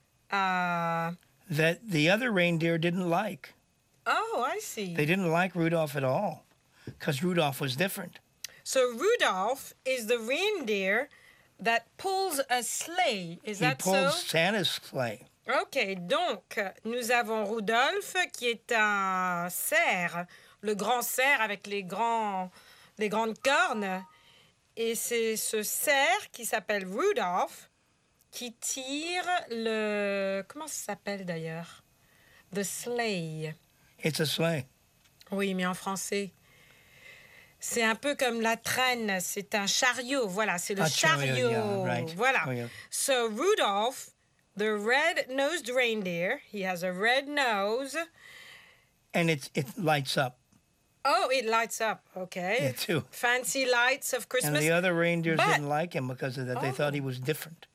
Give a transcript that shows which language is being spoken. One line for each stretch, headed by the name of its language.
English: That the other reindeer didn't like. Oh, I see. They didn't like Rudolph at all, because Rudolph was different. So Rudolph is the reindeer that pulls a sleigh, is that so? He pulls Santa's sleigh.
French: Okay, donc, nous avons Rudolph qui est un cerf, le grand cerf avec les grandes cornes. Et c'est ce cerf qui s'appelle Rudolph qui tire le... Comment ça s'appelle d'ailleurs?
English: The sleigh. It's a sleigh.
French: Oui, mais en français... C'est un peu comme la traîne, c'est un chariot, voilà, c'est le chariot.
English: Chariot, yeah, right.
French: Voilà.
English: Oh, yeah. So Rudolph, the red-nosed reindeer, he has a red nose. And it lights up. Oh, it lights up, okay. Yeah, too. Fancy lights of Christmas. And the other reindeers didn't like him because of that. Oh. They thought he was different.